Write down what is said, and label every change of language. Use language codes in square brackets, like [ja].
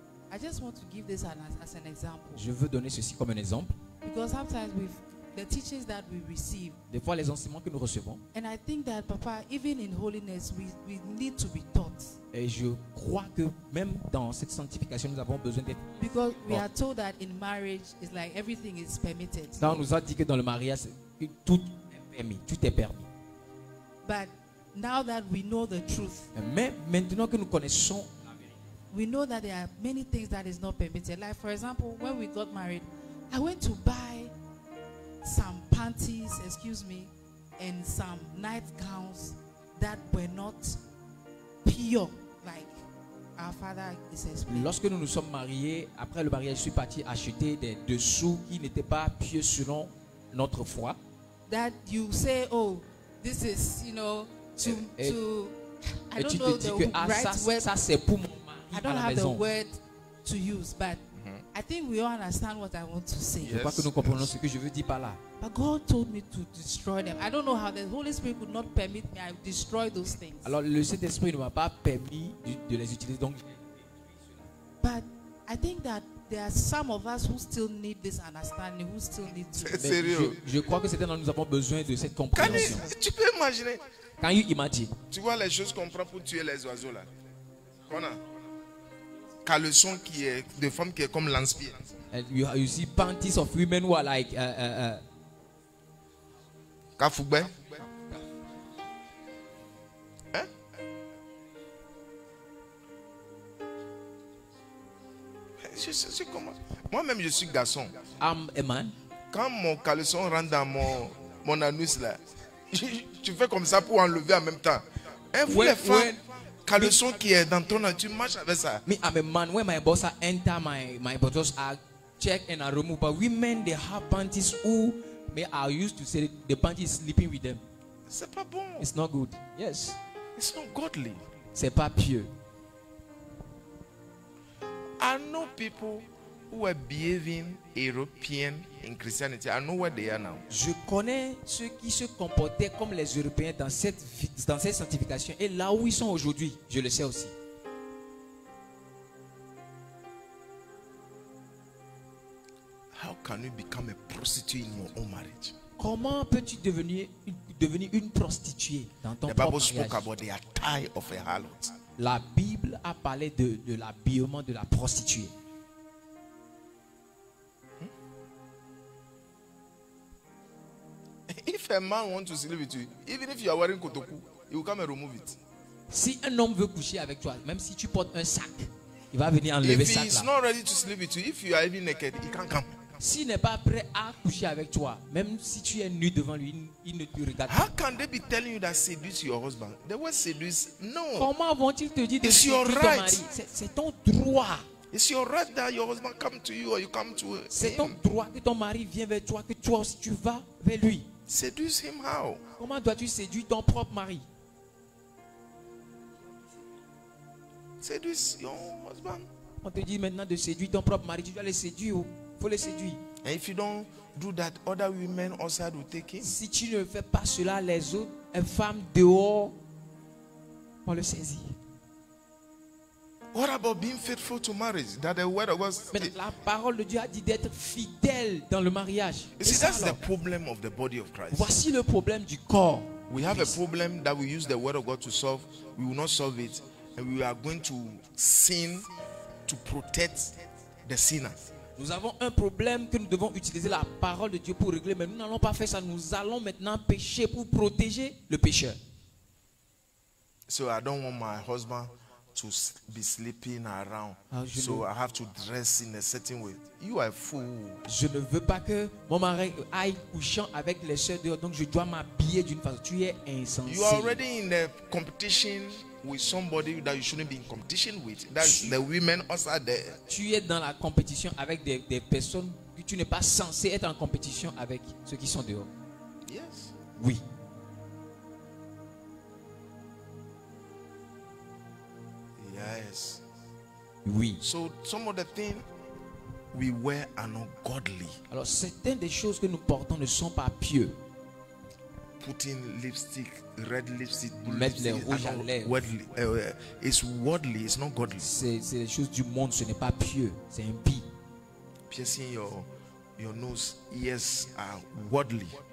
[en] I just want to give this as an example. [fr] Je veux donner ceci comme un exemple. [en] Because sometimes we've the teachings that we receive. [fr] Des fois, les enseignements que nous recevons. [en] And I think that, Papa, even in holiness, we need to be taught. [fr] Et je crois que même dans cette sanctification, nous avons besoin d'être. [en] Because we are told that in marriage, it's like everything is permitted. [fr] Non, on nous a dit que dans le mariage, tout est permis. [en] But now that we know the truth. [fr] Mais maintenant que nous connaissons. [en] We know that there are many things that is not permitted. Like, for example, when we got married, I went to buy some panties, excuse me, and some nightgowns that were not pure, like [fr] Lorsque nous nous sommes mariés, après le mariage, je suis parti acheter des dessous qui n'étaient pas pieux selon notre foi. [en] That you say, oh, this is, you know, to et, to. [fr] Et tu te dis que ça c'est pour mon mari à la maison. [en] I don't have the word to use, but I think we all understand what I want to say. [fr] Je crois que nous comprenons ce que je veux dire par là. [en] But God told me to destroy them. I don't know how the Holy Spirit would not permit me. I destroy those things. [fr] Alors le Saint-Esprit ne m'a pas permis de les utiliser. Donc. [en] But I think that there are some of us who still need this understanding, who still need to. [fr] C'est sérieux. Je crois que certains d'entre nous avons besoin de cette compréhension. Tu peux imaginer? [en] Can you imagine? [fr] Tu vois les choses qu'on prend pour tuer les oiseaux là? Qu'on a? Caleçon qui est de femme qui est comme lance-pied. [en] And you see panties of women who are like Kafoubé. [fr] Je comment? Moi-même je suis garçon. [en] I'm a man. [fr] Quand mon caleçon rentre dans mon anus là, tu fais comme ça pour enlever en même temps. Et vous les femmes, caleçon qui est dans ton anus, tu marches avec ça. [en] Me, I'm a man. When my boss enter my buttocks, I check and I remove. But women, they have panties who, may I used to say, the panties sleeping with them. [fr] C'est pas bon. [en] It's not good. Yes. It's not godly. [fr] C'est pas pieux. [en] I know people who are behaving European in Christianity. I know where they are now. [fr] Je connais ceux qui se comportaient comme les Européens dans cette sanctification et là où ils sont aujourd'hui, je le sais aussi. [en] How can you become a prostitute in your own marriage? [fr] Comment peux-tu devenir une prostituée dans ton propre mariage? [en] The Bible spoke about the attire of a harlot. [fr] La Bible a parlé de l'habillement de la prostituée. [en] If a man wants to sleep with you, even if you are wearing kotoku, he will come and remove it. [fr] Si un homme veut coucher avec toi, même si tu portes un sac, il va venir enlever sac là. [en] If he is not ready to sleep with you, if you are even naked, he can't come. [fr] S'il n'est pas prêt à coucher avec toi, même si tu es nu devant lui, il ne te regarde pas. [en] How can they be telling you that seduce your husband? The word seduce, no. [fr] Comment vont-ils te dire de séduire ton mari? C'est ton droit. [en] It's your right that your husband come to you or you come to him. [fr] C'est ton droit que ton mari vient vers toi, que toi aussi tu vas vers lui. [en] Seduce him how? [fr] Comment dois-tu séduire ton propre mari? [en] Seduce your husband. [fr] On te dit maintenant de séduire ton propre mari. Tu dois le séduire. Faut le séduire. [en] And if you don't do that, other women outside will take him. [fr] Si tu ne fais pas cela, les autres femmes dehors vont le saisir. [en] What about being faithful to marriage? That the word of God. [fr] Mais la parole de Dieu a dit d'être fidèle dans le mariage. [en] See, that's the problem of the body of Christ. [fr] Voici le problème du corps. [en] We have a problem that we use the word of God to solve. We will not solve it, and we are going to sin to protect the sinner. [fr] Nous avons un problème que nous devons utiliser la parole de Dieu pour régler, mais nous n'allons pas faire ça. Nous allons maintenant pécher pour protéger le pécheur. [en] So I don't want my husband to be sleeping around. So I have to dress in a certain way. You are a fool. [fr] Je ne veux pas que mon mari aille couchant avec les soeurs dehors, donc je dois m'habiller d'une façon. Tu es insensé. [en] You are already in a competition with somebody that you shouldn't be in competition with. That's the women also are there. [fr] Tu es dans la compétition avec des personnes que tu n'es pas censé être en compétition avec ceux qui sont dehors. [en] Yes. [fr] Oui. [en] Yes. [fr] Oui. [en] So some of the things we wear are not godly. [fr] Alors certaines des choses que nous portons ne sont pas pieux. [en] Putting lipstick, red lipstick, [fr] blue mettre lipstick, les rouges à lèvres. [en] Worldly, it's worldly, it's not godly. [fr] C'est les choses du monde, ce n'est pas pieux, c'est impie. [en] Piercing your nose, ears are worldly.